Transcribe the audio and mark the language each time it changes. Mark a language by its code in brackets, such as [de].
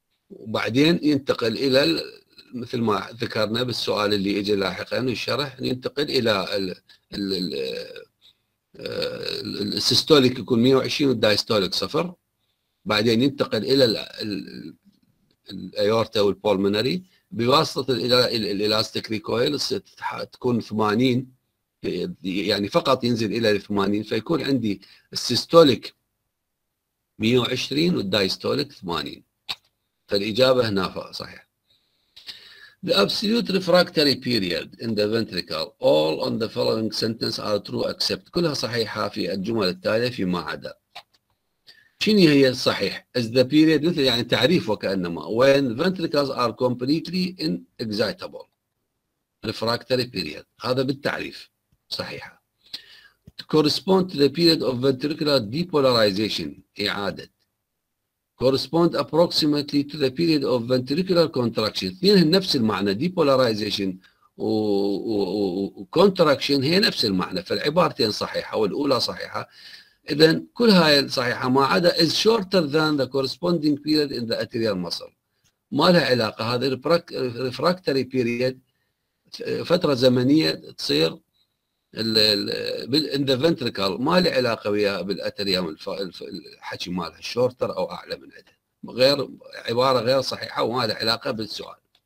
[ar] وبعدين ينتقل الى مثل ما ذكرنا بالسؤال اللي اجى لاحقا الشرح، ينتقل الى السيستوليك يكون 120 والدايستوليك صفر، بعدين ينتقل الى الايورتا والبولمونري بواسطه الى الالاستيك ريكويل تكون 80 يعني فقط ينزل الى 80، فيكون عندي السيستوليك 120 والدايستوليك 80. فالاجابه هنا صحيح. [en] The absolute refractory period in the ventricle all on the following sentence are true except. [ar] كلها صحيحه في الجمل التاليه فيما عدا. شنو هي الصحيح؟ [en] is the period [ar] مثل يعني تعريف وكانما [en] when ventricles are completely inexcitable. [ar] Refractory period هذا بالتعريف صحيحه. [en] Correspond to the period of ventricular depolarization [ar] إعادة. [en] Correspond approximately to the period of ventricular contraction. [ar] اثنين نفس المعنى depolarization و contraction هي نفس المعنى، فالعبارتين صحيحة والأولى صحيحة. إذن كل هاي صحيحة ما عدا [en] is shorter than the corresponding period in the arterial muscle. [ar] ما لها علاقة هذا refractory period فترة زمنية تصير [en] in the ventricle [ar] ما له علاقه ويا بالاتريوم الحكي مالها شورتر او اعلى من عدها، غير عباره غير صحيحه وما له علاقه بالسؤال.